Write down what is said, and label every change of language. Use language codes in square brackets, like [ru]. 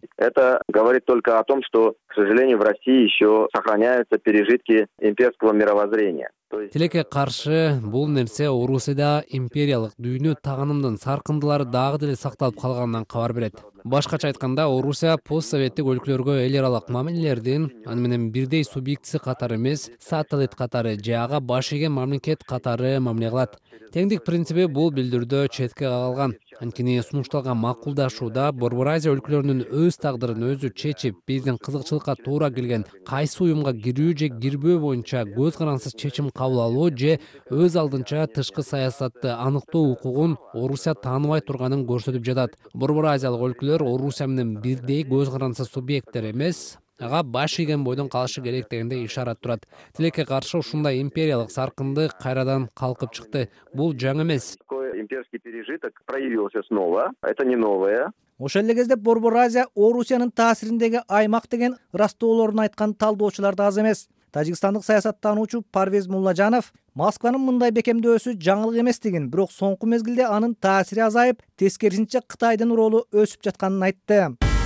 [ru] Это говорит только о том, что, к сожалению, в России еще сохраняются пережитки имперского мировоззрения. [ky] Тилекке каршы бул нерсе Орусияда империялык дүйнө таанымдын саркындылары дагы деле сакталып калгандан кабар берет. Башкача айтканда, Орусия постсоветтик өлкөлөргө эл аралык мамилелердин аны менен бирдей субъектиси катары эмес, сателлит катары же ага баш ийген мамлекет катары мамиле кылат. Теңдик принциби бул билдирүүдө четке кагылган. Анткени сунушталган макулдашууда Борбор Азия өлкөлөрүнүн өз тагдырын өзү чечип, биздин кызыкчылыкка туура келген кайсы уюмга кирүү же кирбөө боюнча көз карансыз чечим кабыл алуу же өз алдынча тышкы саясатты аныктоо укугун Орусия тааныбай турганын көрсөтүп жатат. Борбор Азиялык өлкөлөр Орусия менен бирдей көз карансыз субъекттер эмес, ага баш ийген бойдон калышы керек дегенде ишарат турат. Тилекке каршы ушундай империялык саркынды кайрадан калкып чыкты. Бул жаңы эмес. [ru] Имперский пережиток проявился снова. Это не новое. [ky] Ошол эле кезде Борбор Азия Орусиянын таасириндеги аймак деген ырастоолорун айткан талдоочулар да аз эмес. Тажикстандык саясаттануучу Парвез Муллажанов Москванын мындай бекемдөөсү жаңылык эмес деген, бирок соңку мезгилде анын таасири азайып, тескерисинче Кытайдын ролу өсүп жатканын айтты.